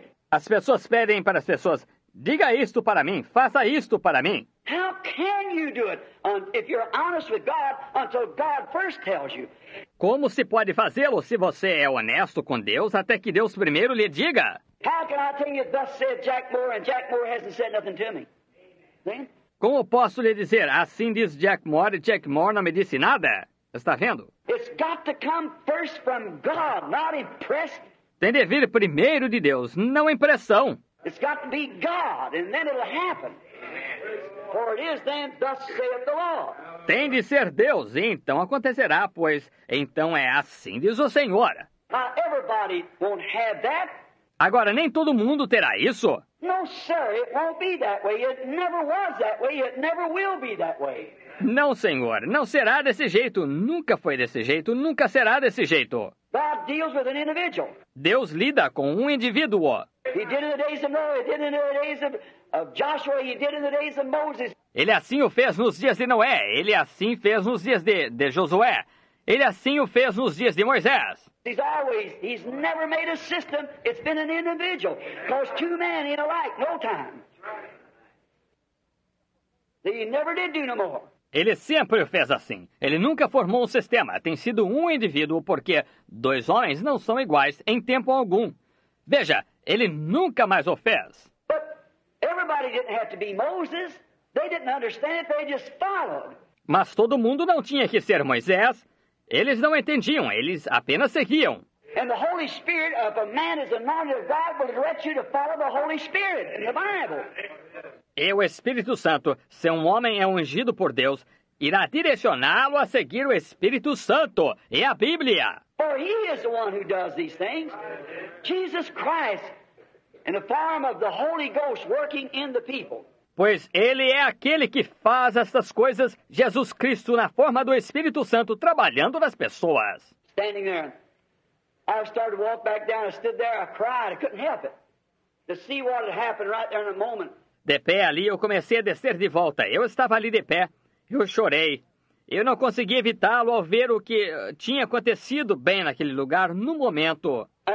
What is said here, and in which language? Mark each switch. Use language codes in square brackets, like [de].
[pt] As pessoas pedem para as pessoas, diga isto para mim, faça isto para mim. [en] How can you do it if you're honest with God until God first tells you? [pt] Como se pode fazê-lo se você é honesto com Deus até que Deus primeiro lhe diga? [en] How can I tell you thus said Jack Moore and Jack Moore hasn't said nothing to me? [pt] Como posso lhe dizer assim diz Jack Moore e Jack Moore não me disse nada? Está vendo? [en] It's got to come first from God, not impressed. [pt] Tem de vir primeiro de Deus, não impressão. [en] It's got to be God and then it'll happen. For it is then, thus saith the Lord. [pt] Tem de ser Deus, e então acontecerá, pois então é assim, diz o Senhor. [en] Now, everybody won't have that. [pt] Agora, nem todo mundo terá isso. [en] No, sir, it won't be that way. It never was that way. It never will be that way. [pt] Não, Senhor, não será desse jeito. Nunca foi desse jeito. Nunca será desse jeito. [en] God deals with an individual. [pt] Deus lida com um indivíduo. [en] He did in the days of Noah, he did in the days of Joshua, he did in the days of Moses. [pt] Ele assim o fez nos dias de Noé, ele assim fez nos dias de Josué, ele assim o fez nos dias de Moisés. [en] He's never made a system, it's been an individual, because two men in a light, no time. He never did do no more. [pt] Ele sempre o fez assim. Ele nunca formou um sistema. Tem sido um indivíduo porque dois homens não são iguais em tempo algum. Veja, ele nunca mais o fez. [en] But everybody didn't have to be Moses. They didn't understand it. They just followed. [pt] Mas todo mundo não tinha que ser Moisés. Eles não entendiam. Eles apenas seguiam. [en] And the Holy Spirit of a man is anointed of God will direct you to follow the Holy Spirit in the Bible. [pt] E o Espírito Santo, se um homem é ungido por Deus, irá direcioná-lo a seguir o Espírito Santo e a Bíblia. [en] For he is the one who does these things. Jesus Christ, in the form of the Holy Ghost working in the people. [pt] Pois ele é aquele que faz estas coisas, Jesus Cristo, na forma do Espírito Santo, trabalhando nas pessoas. [en] Standing there, I started to walk back down. I stood there, I cried. I couldn't help it. To see what had happened right there in a moment. [pt] De pé ali, eu comecei a descer de volta. Eu estava ali de pé. Eu chorei. Eu não consegui evitá-lo ao ver o que tinha acontecido bem naquele lugar, no momento.